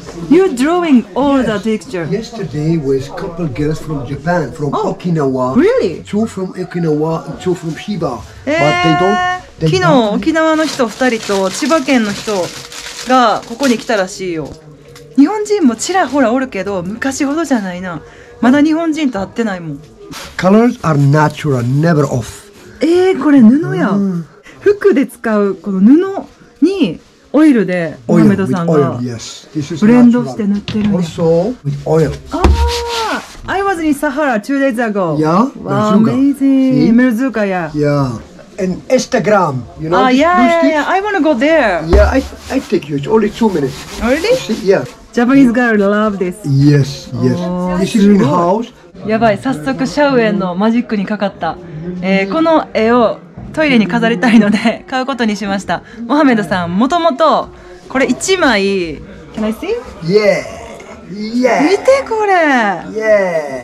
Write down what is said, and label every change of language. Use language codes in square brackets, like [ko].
[en] You're drawing all the picture. Yesterday was a couple of girls from Japan, from Okinawa. Really? Two from Okinawa and two from Shiba. But they don't. [ja] 昨日沖縄の人2人と千葉県の人がここに来たらしいよ。日本人もちらほらおるけど、昔ほどじゃないな。まだ日本人と会ってないもん。 [en] Colors are natural, never off. [ja] これ布や。服で使うこの布に。オイルでモハメドさんがブレンドして塗ってる [en] ね。Also with oil. I was in Sahara 2 days ago. Yeah. Wow, amazing. Merzouka, yeah. Yeah. And Instagram, you know. Yeah. I wanna go there. Yeah, I take you. It's only 2 minutes. Really? Yeah. Japanese girl love this. Yes, yes. This is in house. [ja] やばい、早速シャウエンのマジックにかかった。この絵をトイレに飾りたいので買うことにしました。モハメドさん、もともとこれ1枚 [en] Can I see? Yeah. Yeah. [ja] 見てこれ、 [en] yeah.